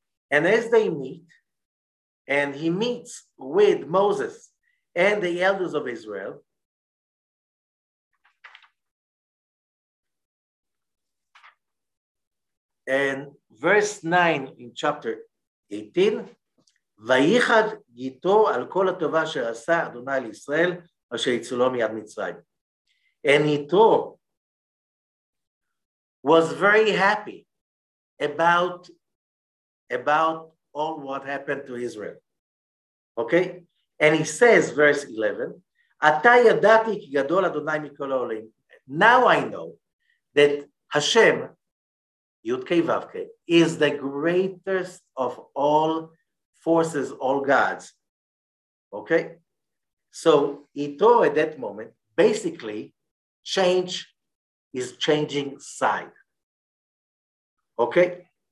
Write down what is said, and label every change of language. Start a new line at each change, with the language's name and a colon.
English: And as they meet, and he meets with Moses and the elders of Israel, and verse 9 in chapter 18,
Hebrew: ויחד יתרו על כל הטובה אשר עשה אדוני לישראל אשר יצאו מיד מצרים.
English: And יתרו was very happy about all what happened to Israel. Okay? And he says, verse 11,
Hebrew: אתה ידעתי כי גדול אדוני מכל העולים.
English: Now I know that Hashem, Yudkei Vavkei, is the greatest of all forces, all gods. Okay? So Yitro at that moment, basically, change is changing side. Okay?